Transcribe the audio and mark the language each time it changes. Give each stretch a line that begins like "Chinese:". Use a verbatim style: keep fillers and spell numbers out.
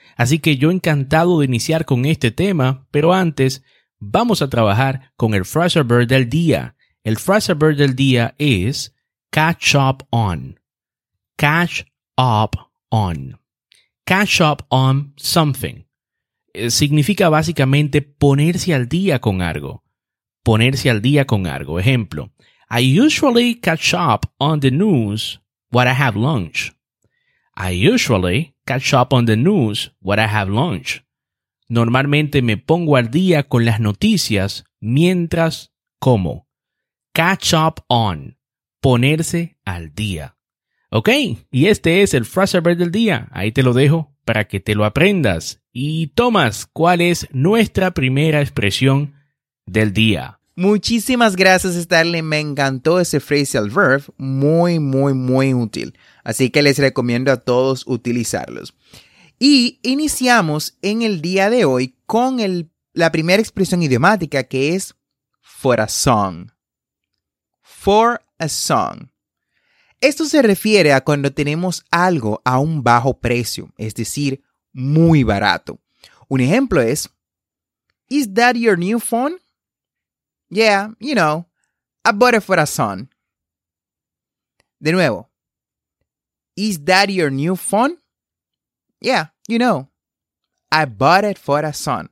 Spanish: Así que yo encantado de iniciar con este tema, pero antes vamos a trabajar con el phrasal verb del día. El phrasal verb del día es catch up on, catch up on, catch up on something. Eh, significa básicamente ponerse al día con algo, ponerse al día con algo.
English: Ejemplo, I usually catch up on the news what I have lunch. I usually catch up on the news what I have lunch.
Spanish: Normalmente me pongo al día con las noticias mientras como. Catch up on. Ponerse al día. Ok, y este es el phrasal verb del día. Ahí te lo dejo para que te lo aprendas. Y Tomás, ¿cuál es nuestra primera expresión del día? Muchísimas gracias, Starling. Me encantó ese phrasal verb. Muy, muy, muy útil. Así que les recomiendo a todos utilizarlos. Y iniciamos en el día de hoy con el, la primera expresión idiomática, que es for a song. For a song. Esto se refiere a cuando tenemos algo a un bajo precio, es decir, muy barato.
English: Un ejemplo es, Is that your new phone? Yeah, you know, I bought it for a song. De nuevo, Is that your new phone? Yeah, you know, I bought it for a song.